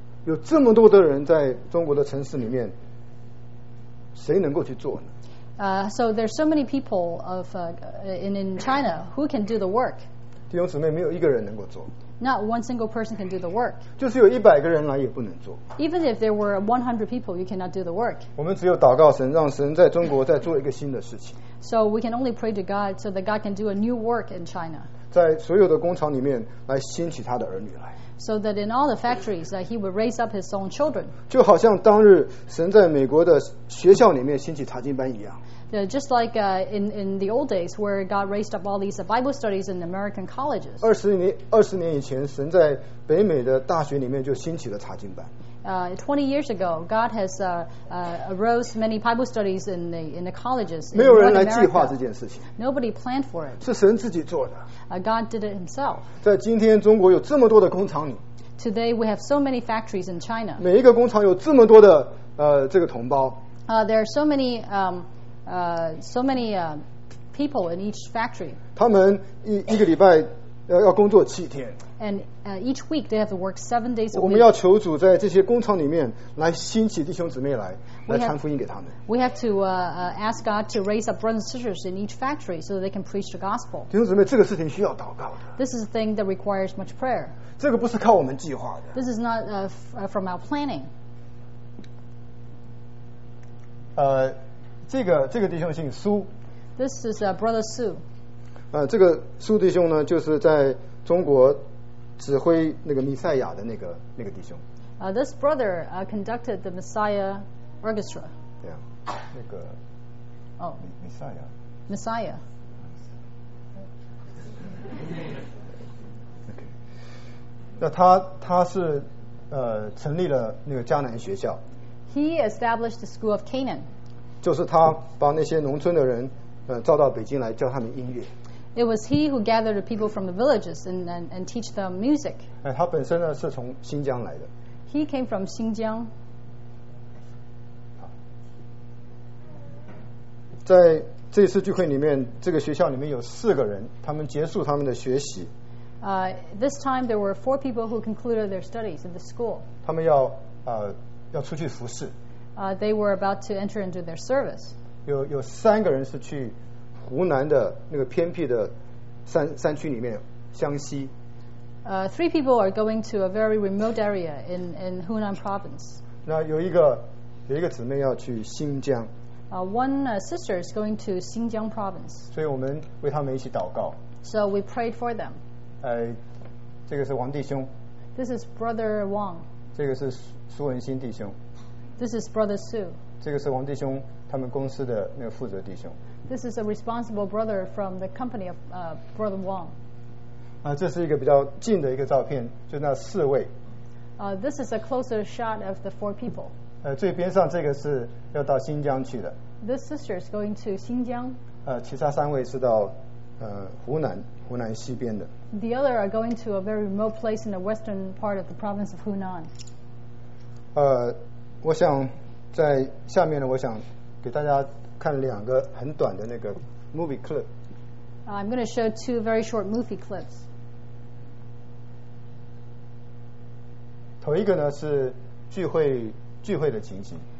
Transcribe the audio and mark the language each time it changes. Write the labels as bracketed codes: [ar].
[zh] 有这么多的人在中国的城市里面。谁能够去做呢？ [en] So there's so many people of in China who can do the work. [zh] 弟兄姊妹，没有一个人能够做。 [en] Not one single person can do the work. [zh] 就是有一百个人来也不能做。 [en] Even if there were 100 people, you cannot do the work. [zh] 我们只有祷告神，让神在中国再做一个新的事情。 [en] So we can only pray to God so that God can do a new work in China. [zh] 在所有的工厂里面来兴起他的儿女来。 [en] So that in all the factories that he would raise up his own children. [zh] 就好像当日神在美国的学校里面兴起查经班一样。 [en] Just like in the old days where God raised up all these Bible studies in American colleges. [zh] 20年以前，神在北美的大学里面就兴起了查经班。 [en] 20 years ago, God has arose many Bible studies in the colleges. [zh] 没有人来计划这件事情。 [en] Nobody planned for it. [zh] 是神自己做的。 [en] God did it himself. [zh] 在今天，中国有这么多的工厂里。 [en] Today we have so many factories in China. [zh] 每一个工厂有这么多的这个同胞。 [en] There are so many people in each factory. [zh] 他们一个礼拜要工作七天。 [en] And each week they have to work 7 days a week. [zh] 我们要求主在这些工厂里面来兴起弟兄姊妹来传福音给他们。 [en] We have to ask God to raise up brothers and sisters in each factory so that they can preach the gospel. [zh] 弟兄姊妹，这个事情需要祷告的。 [en] This is a thing that requires much prayer. [zh] 这个不是靠我们计划的。 [en] This is not from our planning. [zh] 这个弟兄姓苏。 [en] This is brother Sue. [zh] 这个苏弟兄呢，就是在中国。指挥那个弥赛亚的那个弟兄。 [en] This brother conducted the Messiah Orchestra. [zh] 对啊，那个。哦。弥赛亚。 [en] Messiah. [zh] Okay. 那他是成立了那个迦南学校。 [en] He established the School of Canaan. [zh] 就是他把那些农村的人召到北京来教他们音乐。 [en] It was he who gathered the people from the villages and teach them music. [zh] 他本身呢是从新疆来的。 [en] He came from Xinjiang. [zh] 在这次聚会里面，这个学校里面有四个人，他们结束他们的学习。 [en] This time there were 4 people who concluded their studies in the school. [zh] 他们要要出去服侍。 [en] They were about to enter into their service. [zh] 有三个人是去。湖南的那个偏僻的山区里面，湘西。 [en] 3 people are going to a very remote area in Hunan province. [zh] 那有一个姊妹要去新疆。 [en] One sister is going to Xinjiang province. [zh] 所以我们为他们一起祷告。 [en] So we prayed for them. [zh] 这个是王弟兄。 [en] This is brother Wang. [zh] 这个是苏文新弟兄。 [en] This is brother Sue. [zh] 这个是王弟兄他们公司的那个负责弟兄。 [en] This is a responsible brother from the company of brother Wang. [zh] 这是一个比较近的一个照片，就那四位。 [en] This is a closer shot of the 4 people. [zh] 最边上这个是要到新疆去的。 [en] This sister is going to Xinjiang. [zh] 其他三位是到湖南西边的。 [en] The other are going to a very remote place in the western part of the province of Hunan. [zh] 我想在下面呢，我想给大家看两个很短的那个 [en] movie clip。 I'm going to show two very short movie clips. [zh] 头一个呢是聚会的情景。